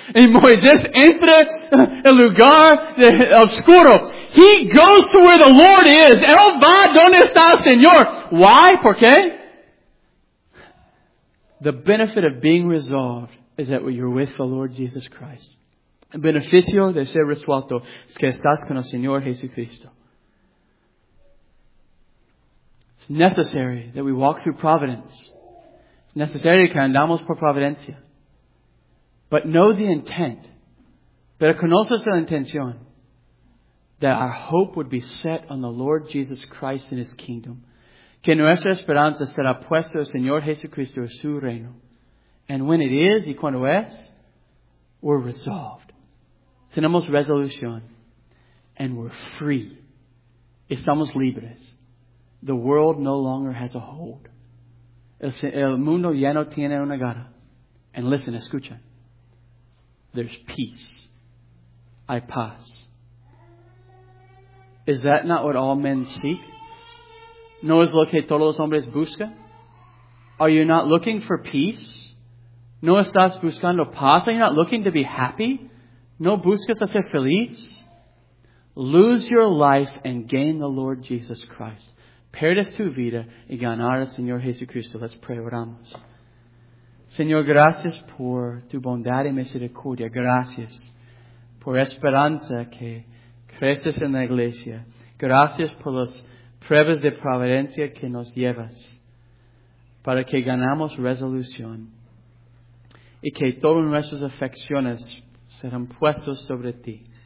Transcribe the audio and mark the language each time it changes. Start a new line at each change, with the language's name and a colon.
Spanish: And Moisés entra el lugar oscuro.
English: He goes to where the Lord is.
Spanish: Él va donde está el Señor.
English: Why?
Spanish: ¿Por qué?
English: The benefit of being resolved is that you're with the Lord Jesus Christ.
Spanish: El beneficio de ser resuelto es que estás con el Señor Jesucristo.
English: It's necessary that we walk through providence. It's necessary
Spanish: que andamos por providencia.
English: But know the intent.
Spanish: Pero conoces la intención.
English: That our hope would be set on the Lord Jesus Christ and His kingdom.
Spanish: Que nuestra esperanza será puesta en el Señor Jesucristo y su reino.
English: And when it is
Spanish: y cuando es,
English: we're resolved.
Spanish: Tenemos resolución.
English: And we're free.
Spanish: Estamos libres.
English: The world no longer has a hold.
Spanish: El mundo ya no tiene una garra.
English: And listen,
Spanish: escucha.
English: There's peace.
Spanish: Hay paz.
English: Is that not what all men seek?
Spanish: ¿No es lo que todos los hombres buscan?
English: Are you not looking for peace?
Spanish: ¿No estás buscando paz?
English: Are you not looking to be happy?
Spanish: ¿No buscas a ser feliz?
English: Lose your life and gain the Lord Jesus Christ.
Spanish: Pierdes tu vida y ganar al Señor Jesucristo.
English: Let's pray,
Spanish: oramos. Señor, gracias por tu bondad y misericordia. Gracias por esperanza que creces en la iglesia. Gracias por las pruebas de providencia que nos llevas para que ganamos resolución y que todas nuestras afecciones serán puestas sobre ti.